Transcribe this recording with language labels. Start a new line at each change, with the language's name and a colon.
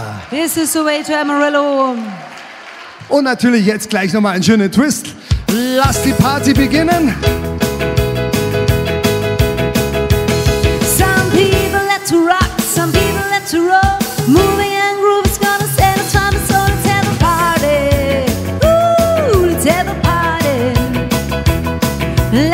English: This is the way to Amarillo.
German: Und natürlich jetzt gleich nochmal einen schönen Twist. Lass die Party beginnen.
English: Some people like to rock, some people like to roll. Moving and grooving's gonna set the time. So let's have a party. Ooh, let's have a party.